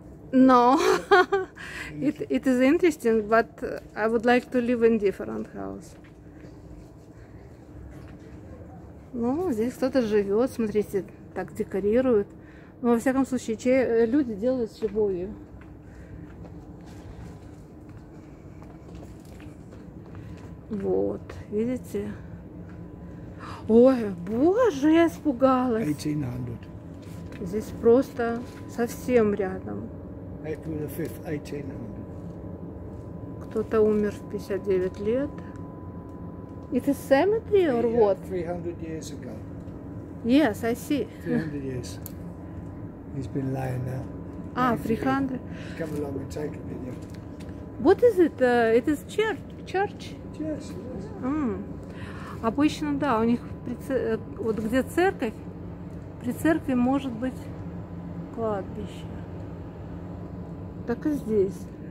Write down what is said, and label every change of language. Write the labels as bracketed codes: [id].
[en] No, it is interesting, but I would like to live in different house. [ru] Ну, здесь кто-то живет, смотрите, так декорируют. Ну, во всяком случае, люди делают с любовью. Вот, видите? Ой, боже, я испугалась. 1800. Здесь просто совсем рядом. [en] April the 5th, 1800. [ru] Кто-то умер в 59 лет. Это [en] cemetery or what? 300 years ago. Yes, I see. 300 years. He's been lying there. Ah, 300. Come along and take a video. What is it? It is church. Yes, it is. [ru] Обычно, да, у них вот где церковь, при церкви может быть кладбище. Так и здесь.